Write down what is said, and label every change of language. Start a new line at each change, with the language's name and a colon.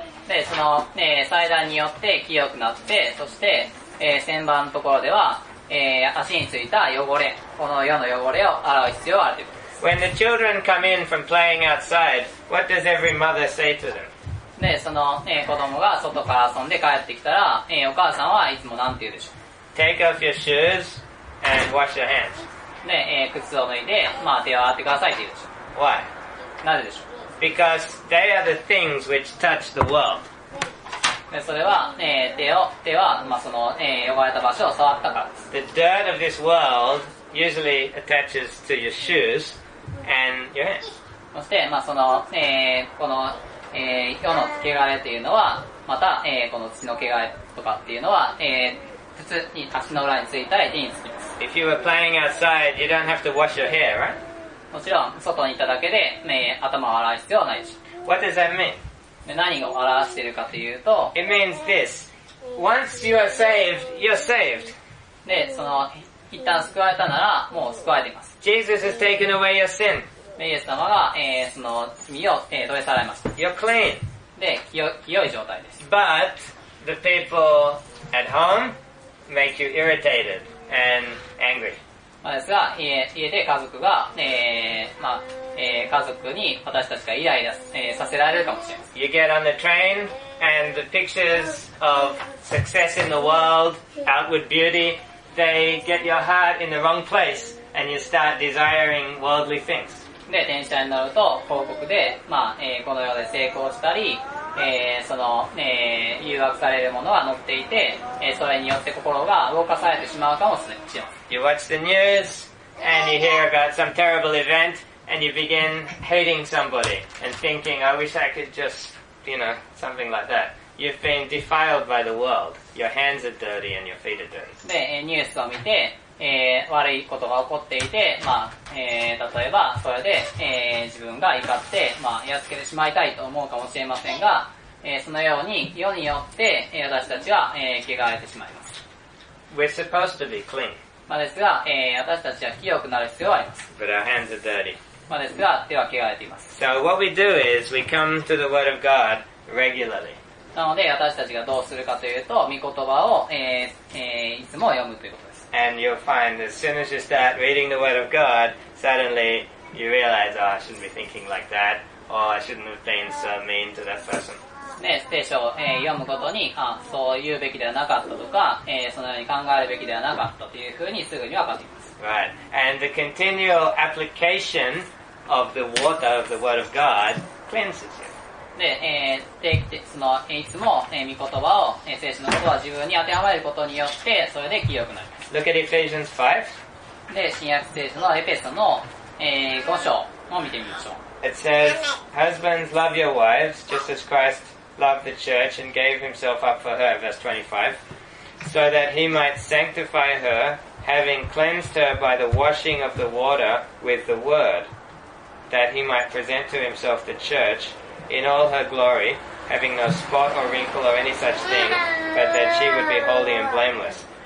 Japanese: で、その、祭壇によって清くなって、そして、洗盤のところでは、足についた汚れ、この世の汚れを洗う必要があるということです。
English: When the children come in from playing outside, what does every mother say to them?
Japanese: で、その、子供が外から遊んで帰ってきたら、お母さんはいつも何て言うでしょう。
English: Take off your shoes and wash your hands.
Japanese: ね、靴を脱いで、まあ手を洗ってくださいって言うでしょ。
English: Why?
Japanese: なぜでしょう。
English: Because they are the things which touch the world.
Japanese: ね、それは、手は、まあその、汚れた場所を触ったからです。
English: The dirt of this world usually attaches to your shoes and your hands.
Japanese: そして、まあその、この、世の汚れというのは、また、この土の汚れとかっていうのは、足の裏についたり手につきます。
English: If you were playing outside, you don't have to wash your hair, right?
Japanese: もちろん外にいただけで、頭を洗う必要はないし。
English: What does that mean?
Japanese: 何を表しているかというと、
English: It means this. Once you are saved, you're saved.
Japanese: で、その一旦救われたならもう救われています。
English: Jesus has taken away your sin。
Japanese: イエス様が、その罪を、取り去られました。
English: You're clean。
Japanese: で、清い状態です。
English: But the people at home make you irritated and angry。
Japanese: まあ、ですが、家で家族が、まあ、家族に私たちがイライラ、させられるかもしれません。
English: You get on the train and the pictures of success in the world, outward beauty, they get your heart in the wrong place and you start desiring worldly things.
Japanese: で、電車に乗ると広告で、まあ、この世で成功したり、その、誘惑されるものは載っていて、それによって心が動かされてしまうかもしれません。
English: You watch the news and you hear about some terrible event and you begin hating somebody and thinking, I wish I could just, you know, something like that. You've been defiled by the world. Your hands are dirty and your feet are dirty.
Japanese: で、ニュースを見て、悪いことが起こっていて、まあ、例えばそれで、自分が怒って、まあ、やっつけてしまいたいと思うかもしれませんが、そのように世によって私たちは、汚れてしまいます。
English: We're supposed to be clean.
Japanese: まあ、ですが、私たちは清くなる必要はあります。
English: But our hands are dirty.
Japanese: まあ、ですが、手は汚れています。
English: So what we do is we come to the word of God regularly.
Japanese: なので、私たちがどうするかというと、御言葉を、いつも読むということです。
English: And you'll find as soon as you start reading the word of God, suddenly you realize, oh, I shouldn't be thinking like that, or I shouldn't have been so mean to that person.
Japanese: ね、聖書を、読むごとに、あ、そう言うべきではなかったとか、そのように考えるべきではなかったというふうにすぐに分かってきます。
English: Right. And the continual application of the water of the word of God cleanses you.
Japanese: で、その、いつも、御言葉を、聖書のことは自分に当てはまることによって、それで清くなります。
English: Look at Ephesians 5.
Japanese: で、新約聖書のエペソの、5章を見てみましょう。
English: It says, Husbands, love your wives, just as Christ loved the church and gave himself up for her, verse 25, so that he might sanctify her, having cleansed her by the washing of the water with the word, that he might present to himself the church in all her glory, having no spot or wrinkle or any such thing, but that she would be holy and blameless.